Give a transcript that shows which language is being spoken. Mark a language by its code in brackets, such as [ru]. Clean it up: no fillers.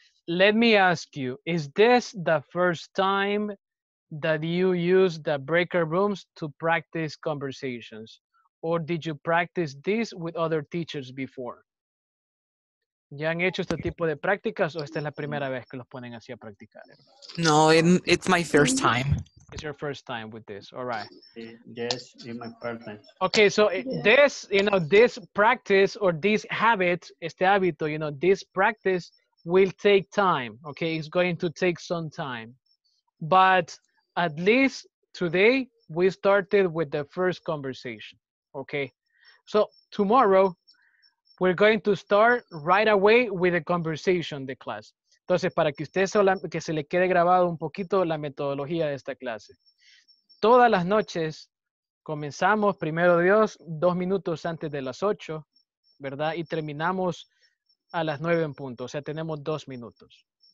[en] Let me ask you, is this the first time that you use the breaker rooms to practice conversations? Or did you practice this with other teachers before? [es] ¿Ya han hecho este tipo de prácticas o esta es la primera vez que los ponen así a practicar? [en] No, it's my first time. It's your first time with this, all right. Yes, in my first time. Okay, so this practice or this habit, [es] este hábito, [en] you know, this practice will take time, okay? It's going to take some time. But at least today, we started with the first conversation, okay? So tomorrow, we're going to start right away with a conversation, the class. [es] Entonces, para que usted que se le quede grabado un poquito la metodología de esta clase. Todas las noches comenzamos, primero Dios, 2 minutos antes de las 8, ¿verdad? Y terminamos a las 9 en punto, o sea, tenemos 2 minutos.